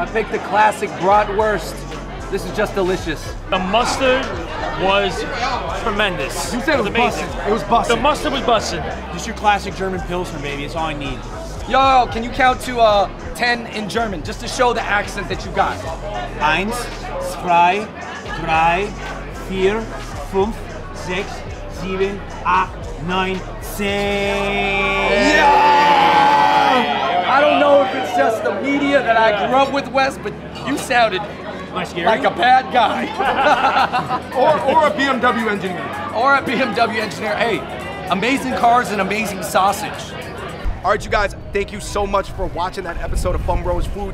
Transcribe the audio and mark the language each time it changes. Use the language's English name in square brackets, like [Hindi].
[English] I picked the classic bratwurst. This is just delicious. The mustard was tremendous. You said it was busting. It was busting. The mustard was busting. Just your classic German Pilsner, baby. It's all I need. Yo, can you count to 10 in German, just to show the accent that you got? [German] Eins, zwei, drei, vier, fünf, sechs, sieben, acht, neun, zehn. [English] Yeah! I don't know if it's just the media that I grew up with, Wes, but you sounded like a bad guy. or a BMW engineer. Or a BMW engineer. Hey, amazing cars and amazing sausage. All right, you guys, thank you so much for watching that episode of FUNG BROS Food.